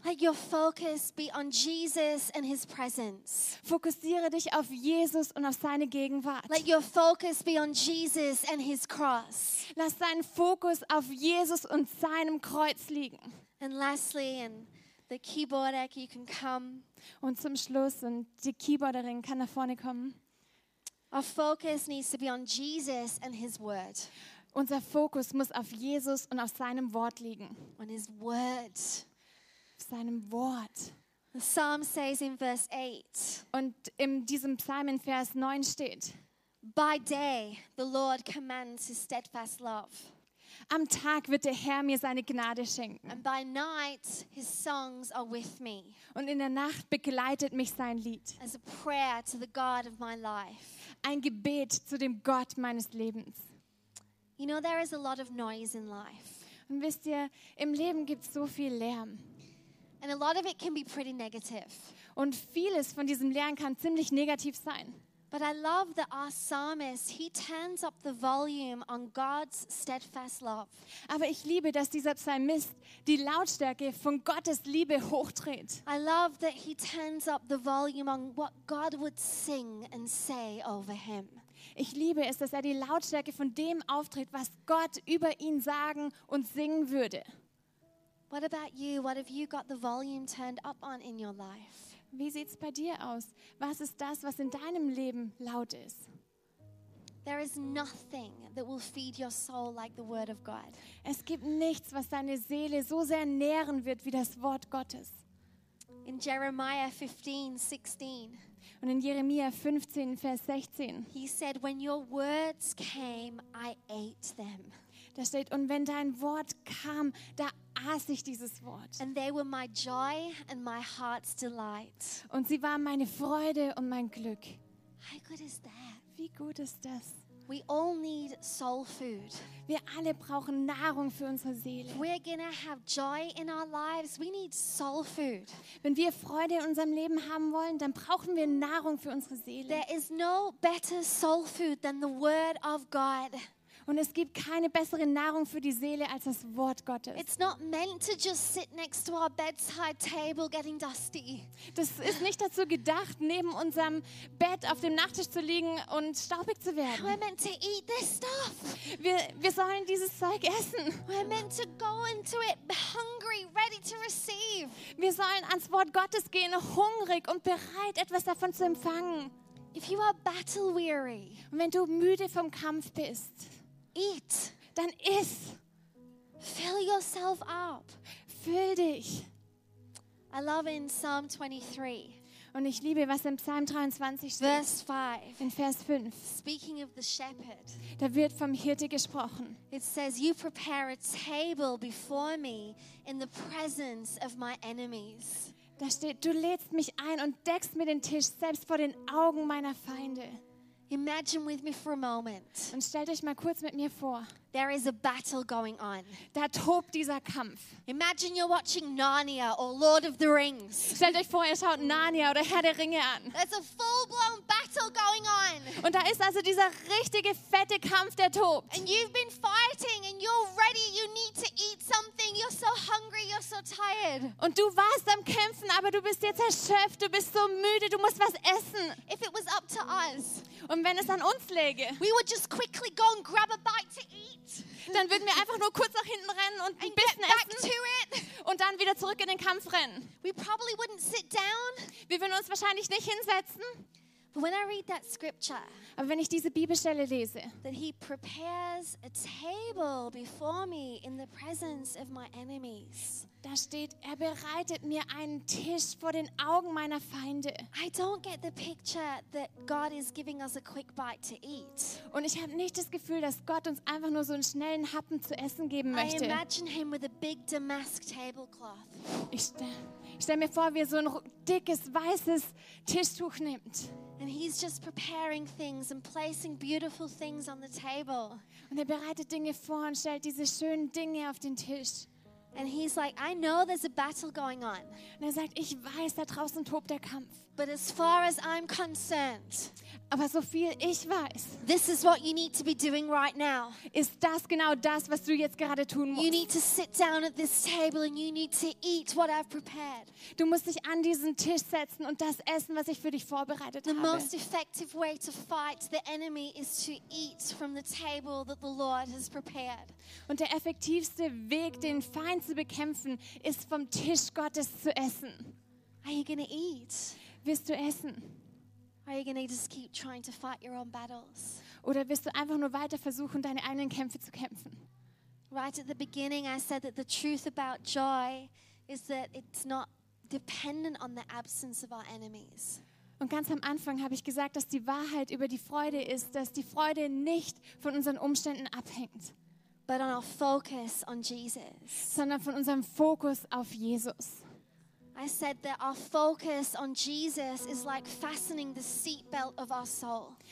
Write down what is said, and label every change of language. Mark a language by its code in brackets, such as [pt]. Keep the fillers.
[en] Let your focus be on Jesus and His presence. [de] Fokussiere dich auf Jesus und auf seine Gegenwart. [en] Let your focus be on Jesus and His cross. [de] Lass deinen Fokus auf Jesus und seinem Kreuz liegen. [en] And lastly, and the keyboard act, you can come. [de] Und zum Schluss, und die Keyboarderin kann nach vorne kommen. [en] Our focus needs to be on Jesus and His Word, [de] Unser Fokus muss auf Jesus und auf seinem Wort liegen. [en] on His Word. [de] Auf seinem Wort. [en] The psalm says in verse 8. [de] Und in diesem Psalm in Vers 9 steht, [en] By day, the Lord commands his steadfast love, [de] am Tag wird der Herr mir seine Gnade schenken [en] and by night, his songs are with me [de] und in der Nacht begleitet mich sein Lied, [en] as a prayer to the God of my life. [de] ein Gebet zu dem Gott meines Lebens. [en] You know, there is a lot of noise in life, [de] Und wisst ihr, im Leben gibt es so viel Lärm [en] and a lot of it can be pretty negative. [de] und vieles von diesem Lärm kann ziemlich negativ sein. [en] But I love that our psalmist, he turns up the volume on God's steadfast love. [de] Aber ich liebe, dass dieser Psalmist die Lautstärke von Gottes Liebe hochdreht. [en] I love that he turns up the volume on what God would sing and say over him. [de] Ich liebe es, dass er die Lautstärke von dem auftritt, was Gott über ihn sagen und singen würde. [en] What about you? What have you got the volume turned up on in your life? [de] Wie sieht es bei dir aus? Was ist das, was in deinem Leben laut ist? [en] There is nothing that will feed your soul like the Word of God. [de] Es gibt nichts, was deine Seele so sehr nähren wird wie das Wort Gottes. [en] In Jeremiah 15, 16, [de] Und in Jeremia 15, Vers 16, [en] he said, When your words came, I ate them, [de] da steht, und wenn dein Wort kam, da aß ich dieses Wort. [en] and they were my joy and my heart's delight. [de] Und sie war meine Freude und mein Glück. [en] How good is that? [de] Wie gut ist das? [en] We all need soul food. [de] Wir alle brauchen Nahrung für unsere Seele. [en] If we're going to have joy in our lives, we need soul food. [de] Wenn wir Freude in unserem Leben haben wollen, dann brauchen wir Nahrung für unsere Seele. [en] There is no better soul food than the Word of God. [de] Und es gibt keine bessere Nahrung für die Seele als das Wort Gottes. [en] It's not meant to just sit next to our bedside table getting dusty. [de] Das ist nicht dazu gedacht, neben unserem Bett auf dem Nachttisch zu liegen und staubig zu werden. [en] We're meant to eat this stuff. [de] Wir, wir sollen dieses Zeug essen. [en] We're meant to go into it hungry, ready to receive. [de] Wir sollen ans Wort Gottes gehen, hungrig und bereit, etwas davon zu empfangen. [en] If you are battle weary, [de] Und wenn du müde vom Kampf bist, [en] eat. [de] dann iss, [en] Fill yourself up. [de] füll dich. [en] I love in Psalm 23, [de] Und ich liebe, was im Psalm 23 steht. [en] verse 5, [de] In Vers 5, [en] speaking of the shepherd. [de] da wird vom Hirte gesprochen. [en] It says, You prepare a table before me in the presence of my enemies. [de] Da steht, du lädst mich ein und deckst mir den Tisch selbst vor den Augen meiner Feinde. [en] Imagine with me for a moment. [de] Und stellt euch mal kurz mit mir vor. [en] There is a battle going on. [de] Da tobt dieser Kampf. [en] Imagine you're watching Narnia or Lord of the Rings. [de] Stellt euch vor, ihr schaut Narnia oder Herr der Ringe an. [en] There's a full blown battle going on. [de] Und da ist also dieser richtige fette Kampf, der tobt. [en] And you've been fighting and you're ready. You need to eat something. You're so hungry. You're so tired. [de] Und du warst am Kämpfen, aber du bist jetzt erschöpft, du bist so müde, du musst was essen. [en] If it was up to us, [de] Und wenn es an uns läge, [en] we would just quickly go and grab a bite to eat [de] dann würden wir einfach nur kurz nach hinten rennen und ein [en] and get [de] bisschen [en] back [de] essen [en] to it. [de] und dann wieder zurück in den Kampf rennen. [en] We probably wouldn't sit down. [de] Wir würden uns wahrscheinlich nicht hinsetzen. [en] But when I read that scripture, [de] Aber wenn ich diese Bibelstelle lese, [en] that he prepares a table before me in the presence of my enemies. [de] da steht, er bereitet mir einen Tisch vor den Augen meiner Feinde. [en] I don't get the picture that God is giving us a quick bite to eat. [de] Und ich habe nicht das Gefühl, dass Gott uns einfach nur so einen schnellen Happen zu essen geben [en] I [de] möchte. [en] imagine him with a big damask tablecloth. [de] Ich stelle stell mir vor, wie er so ein ru- dickes, weißes Tischtuch nimmt. [en] And he's just preparing things and placing beautiful things on the table. [de] Und er bereitet Dinge vor und stellt diese schönen Dinge auf den Tisch. [en] And he's like, I know there's a battle going on, [de] Und er sagt, ich weiß, da draußen tobt der Kampf. [en] but as far as I'm concerned, [de] Aber so viel ich weiß, [en] this is what you need to be doing right now. [de] ist das genau das, was du jetzt gerade tun [en] You [de] musst. [en] need to sit down at this table and you need to eat what I've prepared. [de] Du musst dich an diesen Tisch setzen und das essen, was ich für dich vorbereitet [en] The [de] habe. [en] most effective way to fight the enemy is to eat from the table that the Lord has prepared. [de] Und der effektivste Weg, den Feind zu bekämpfen, ist vom Tisch Gottes zu essen. [en] Are you going to eat? [de] Willst du essen? [en] Or are you going to just keep trying to fight your own battles? [de] Oder willst du einfach nur weiter versuchen, deine eigenen Kämpfe zu kämpfen? [en] Right at the beginning, I said that the truth about joy is that it's not dependent on the absence of our enemies. [de] Und ganz am Anfang habe ich gesagt, dass die Wahrheit über die Freude ist, dass die Freude nicht von unseren Umständen abhängt, [en] But on our focus on Jesus. [de] sondern von unserem Fokus auf Jesus. [en] I said that our focus on Jesus is like fastening the seatbelt of our soul.